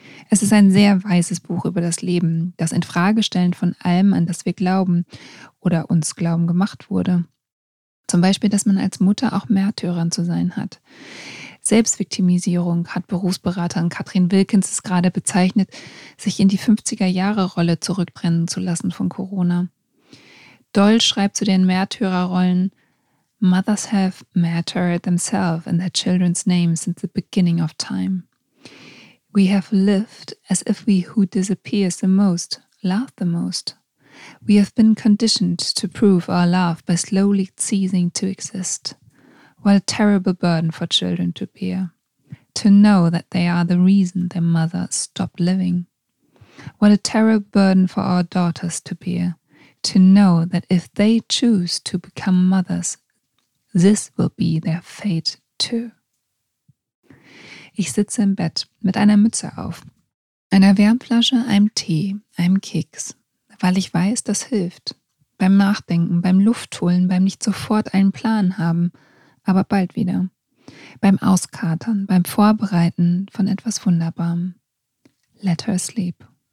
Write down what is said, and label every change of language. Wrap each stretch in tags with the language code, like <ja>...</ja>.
<de>Es ist ein sehr weises Buch über das Leben, das Infragestellen von allem, an das wir glauben oder uns glauben gemacht wurde. Zum Beispiel, dass man als Mutter auch Märtyrerin zu sein hat. Selbstviktimisierung hat Berufsberaterin Katrin Wilkins es gerade bezeichnet, sich in die 50er-Jahre-Rolle zurückbrennen zu lassen von Corona. Doll schreibt zu den Märtyrerrollen:</de> <en>Mothers have martyred themselves in their children's name since the beginning of time. We have lived as if we who disappears the most love the most. We have been conditioned to prove our love by slowly ceasing to exist. What a terrible burden for children to bear. To know that they are the reason their mother stopped living. What a terrible burden for our daughters to bear. To know that if they choose to become mothers, this will be their fate too.</en> <de>Ich sitze im Bett mit einer Mütze auf, einer Wärmflasche, einem Tee, einem Keks, weil ich weiß, das hilft. Beim Nachdenken, beim Luftholen, beim nicht sofort einen Plan haben, aber bald wieder. Beim Auskatern, beim Vorbereiten von etwas Wunderbarem.</de> <en>Let her sleep.</en>